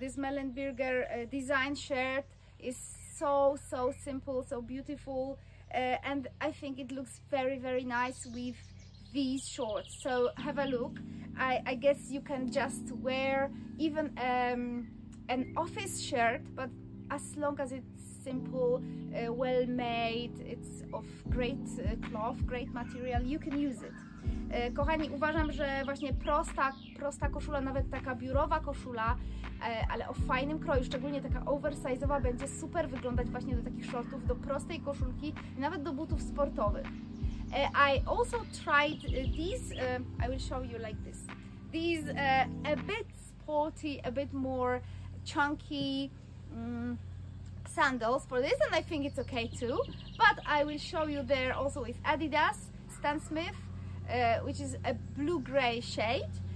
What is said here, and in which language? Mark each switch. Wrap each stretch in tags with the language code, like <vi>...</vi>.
<en>This Mellenberger design shirt is so simple, so beautiful, and I think it looks very nice with these shorts. So have a look. I guess you can just wear even an office shirt, but as long as it's simple, well made, it's of great cloth, great material, you can use it.</en> <pl>Kochani, uważam, że właśnie prosta koszula, nawet taka biurowa koszula, ale o fajnym kroju, szczególnie taka oversize'owa, będzie super wyglądać właśnie do takich shortów, do prostej koszulki, nawet do butów sportowych.</pl> <en>I also tried these, I will show you like this. These a bit sporty, a bit more chunky sandals for this, and I think it's okay too. But I will show you there also with Adidas, Stan Smith, which is a blue-gray shade.</en>